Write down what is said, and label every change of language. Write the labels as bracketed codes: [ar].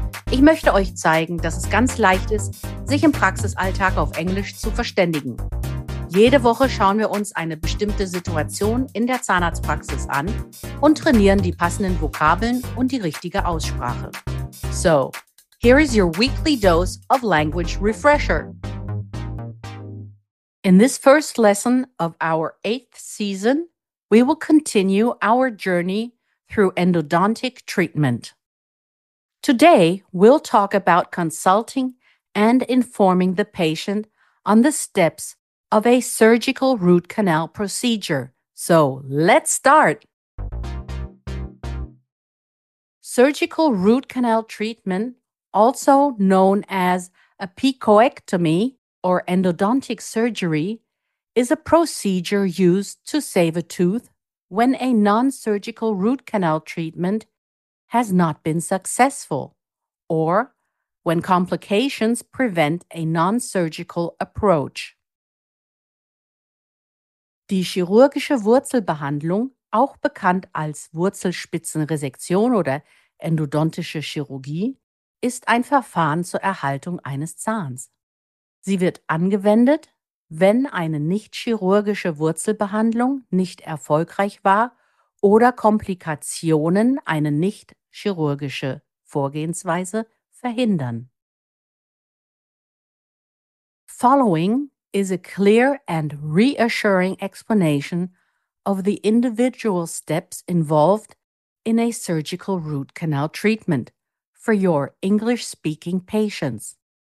[de] Ich möchte euch zeigen, dass es ganz leicht ist, sich im Praxisalltag auf Englisch zu verständigen. Jede Woche schauen wir uns eine bestimmte Situation in der Zahnarztpraxis an und trainieren die passenden Vokabeln und die richtige Aussprache. [en] So, here is your weekly dose of language refresher. In this first lesson of our 8th season, we will continue our journey through endodontic treatment. Today, we'll talk about consulting and informing the patient on the steps of a surgical root canal procedure. So, let's start! Surgical root canal treatment, also known as a apicoectomy, or endodontic surgery, is a procedure used to save a tooth when a non-surgical root canal treatment has not been successful, or when complications prevent a non-surgical approach. [de] Die chirurgische Wurzelbehandlung, auch bekannt als Wurzelspitzenresektion oder endodontische Chirurgie, ist ein Verfahren zur Erhaltung eines Zahns. Sie wird angewendet, wenn eine nicht-chirurgische Wurzelbehandlung nicht erfolgreich war oder Komplikationen eine nicht-chirurgische Vorgehensweise verhindern. [en] Following is a clear and reassuring explanation of the individual steps involved in a surgical root canal treatment for your English-speaking patients.